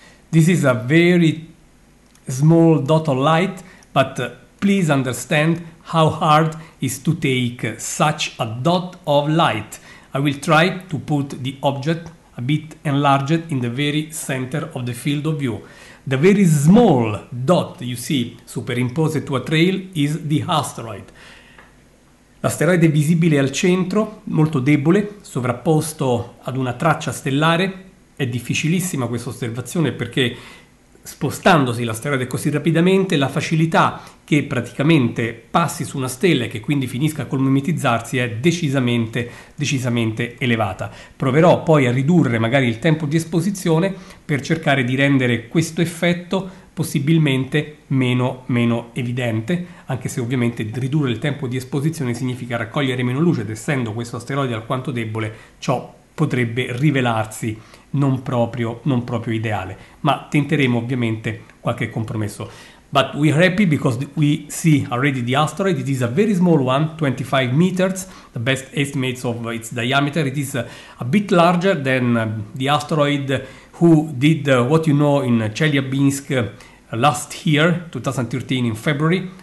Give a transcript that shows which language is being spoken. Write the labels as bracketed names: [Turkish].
[English] This is a very small dot of light, but please understand how hard it is to take such a dot of light. I will try to put the object a bit enlarged in the very center of the field of view. The very small dot you see superimposed to a trail is the asteroid. [Italian] L'asteroide visibile al centro, molto debole, sovrapposto ad una traccia stellare. È difficilissima questa osservazione perché spostandosi l'asteroide così rapidamente, la facilità che praticamente passi su una stella e che quindi finisca col mimetizzarsi è decisamente, decisamente elevata. Proverò poi a ridurre magari il tempo di esposizione per cercare di rendere questo effetto possibilmente meno evidente, anche se ovviamente ridurre il tempo di esposizione significa raccogliere meno luce ed essendo questo asteroide alquanto debole, ciò potrebbe rivelarsi non proprio ideale, ma tenteremo ovviamente qualche compromesso. [English] But we are happy because we see already the asteroid. It is a very small one, 25 meters, the best estimates of its diameter. It is a bit larger than the asteroid who did what you know in Chelyabinsk last year, 2013 in February.